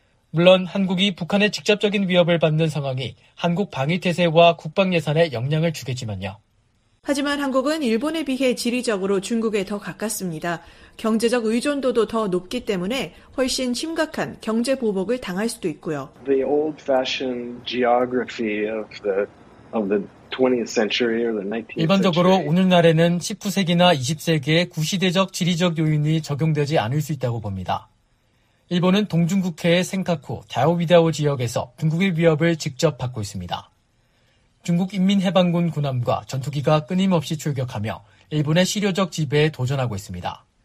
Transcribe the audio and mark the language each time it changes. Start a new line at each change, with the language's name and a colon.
Korean: 물론 한국이 북한의 직접적인 위협을 받는 상황이 한국 방위태세와 국방예산에 영향을 주겠지만요. 하지만 한국은 일본에 비해 지리적으로 중국에 더 가깝습니다. 경제적 의존도도 더 높기 때문에 훨씬 심각한 경제 보복을 당할 수도 있고요.
English: The old-fashioned geography of the 20th century or the 19th century.
Korean: 일반적으로 오늘날에는 19세기나 20세기의 구시대적 지리적 요인이 적용되지 않을 수 있다고 봅니다. 일본은 동중국해의 센카쿠, 다오비다오 지역에서 중국의 위협을 직접 받고 있습니다. 중국 인민해방군 군함과 전투기가 끊임없이 출격하며 일본의 실효적 지배에 도전하고 있습니다.